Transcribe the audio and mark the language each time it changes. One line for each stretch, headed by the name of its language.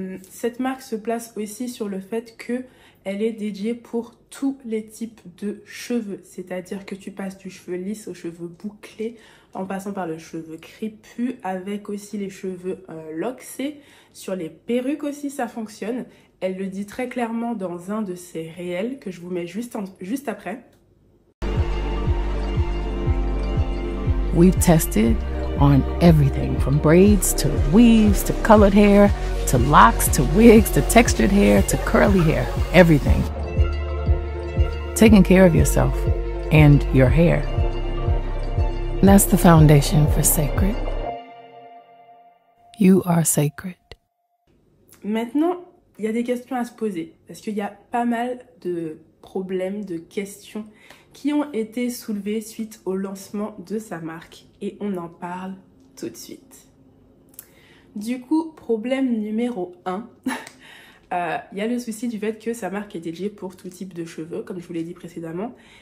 French: Cette marque se place aussi sur le fait que elle est dédiée pour tous les types de cheveux, c'est-à-dire que tu passes du cheveu lisse aux cheveux bouclés, en passant par le cheveu crépus, avec aussi les cheveux locksés. Sur les perruques aussi, ça fonctionne. Elle le dit très clairement dans un de ses réels que je vous mets juste après.
English: We've tested on everything from braids to weaves to colored hair to locks to wigs to textured hair to curly hair, everything. Taking care of yourself and your hair. And that's the foundation for Secret. You are Secret.
French: Maintenant, il y a des questions à se poser parce qu'il y a pas mal de problèmes, de questions qui ont été soulevées suite au lancement de sa marque et on en parle tout de suite. Du coup, problème numéro 1, il y a le souci du fait que sa marque est dédiée pour tout type de cheveux, comme je vous l'ai dit précédemment.